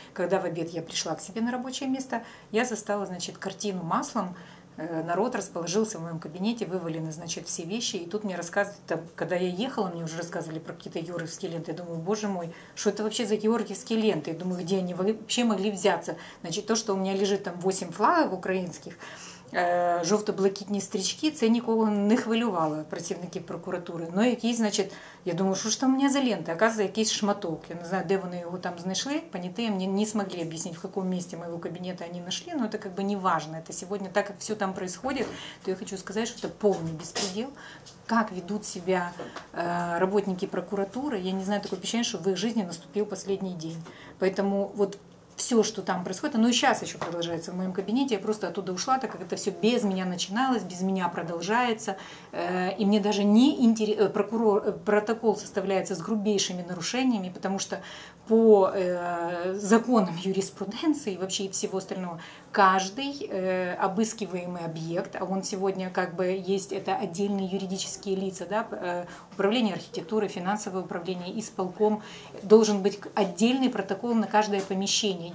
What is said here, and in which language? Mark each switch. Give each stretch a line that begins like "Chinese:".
Russian: Когда в обед я пришла к себе на рабочее место, я застала, значит, картину маслом. Народ расположился в моем кабинете, вывалены, значит, все вещи. И тут мне рассказывают, там, когда я ехала, мне уже рассказывали про какие-то георгиевские ленты. Я думаю, боже мой, что это вообще за георгиевские ленты? Я думаю, где они вообще могли взяться? Значит, то, что у меня лежит там 8 флагов украинских,
Ukrainian: жовто-блакитні стрічки, це нікого не хвилювало, працівників прокуратури. Ну, якийсь, значить, я думаю, що ж там у мене за ленти? Оказується, якийсь шматок. Я не знаю, де вони його там знайшли. Панітеї мені не змогли об'яснити, в якому місці моєго кабінету вони знайшли, але це якби не важливо. Це сьогодні, так як все там відбувається, то я хочу сказати, що це повний безпреділ. Як ведуть себе працівники прокуратури, я не знаю, таке впечатлення, що в їх житті наступив останній день. Тому, от,
Russian: все, что там происходит, оно и сейчас еще продолжается в моем кабинете. Я просто оттуда ушла, так как это все без меня начиналось, без меня продолжается. И мне даже не интересно, протокол составляется с грубейшими нарушениями, потому что по законам юриспруденции и вообще всего остального, каждый обыскиваемый объект, а он сегодня как бы есть, это отдельные юридические лица, да, управление архитектурой, финансовое управление, исполком, должен быть отдельный протокол на каждое помещение.